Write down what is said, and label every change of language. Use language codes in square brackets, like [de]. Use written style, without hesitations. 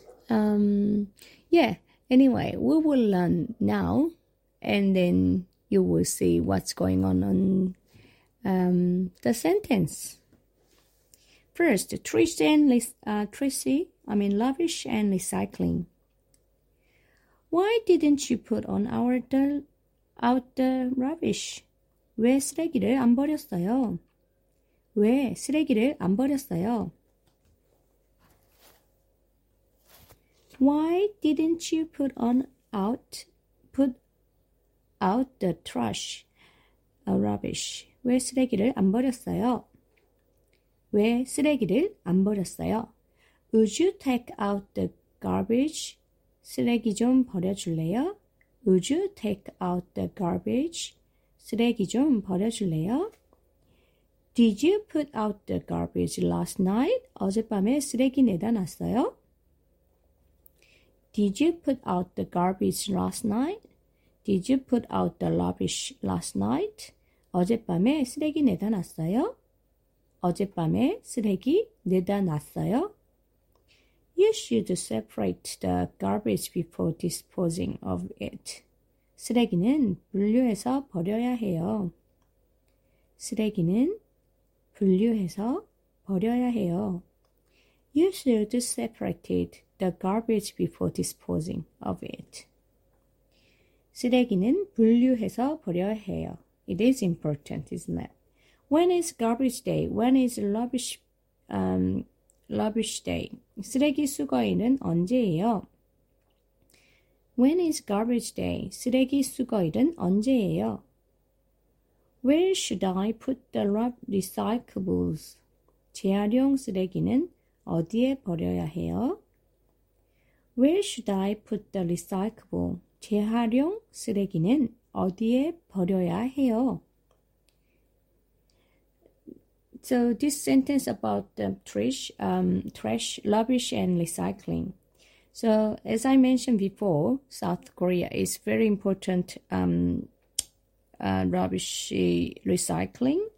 [en] Yeah. Anyway, we will learn now, and then you will see what's going on the sentence. First, lavish and recycling. Why didn't you put on out the rubbish? [ko] 왜 쓰레기를 안 버렸어요? 왜 쓰레기를 안 버렸어요? [en] Why didn't you put out the trash, rubbish? [ko] 왜 쓰레기를 안 버렸어요? 왜 쓰레기를 안 버렸어요? [en] Would you take out the garbage? [ko] 쓰레기 좀 버려줄래요? [en] Would you take out the garbage? [ko] 쓰레기 좀 버려줄래요? [en] Did you put out the garbage last night? [ko] 어젯밤에 쓰레기 내다 놨어요? [en] Did you put out the garbage last night? Did you put out the rubbish last night? [ko] 어젯밤에 쓰레기 내다 놨어요? 어젯밤에 쓰레기 내다 놨어요? [en] You should separate the garbage before disposing of it. [ko] 쓰레기는 분류해서 버려야 해요. 쓰레기는 분류해서 버려야 해요. [en] You should separate it. The garbage before disposing of it. [ko] 쓰레기는 분류해서 버려야 해요. [en] It is important, isn't it? When is garbage day? When is rubbish day? [ko] 쓰레기 수거일은 언제예요? [en] When is garbage day? [ko] 쓰레기 수거일은 언제예요? [en] Where should I put the recyclables? [ko] 재활용 쓰레기는 어디에 버려야 해요? [en] Where should I put the recyclable? [ko] 재활용 쓰레기는 어디에 버려야 해요? [en] So this sentence about the trash, rubbish and recycling. So as I mentioned before, South Korea is very important rubbish recycling.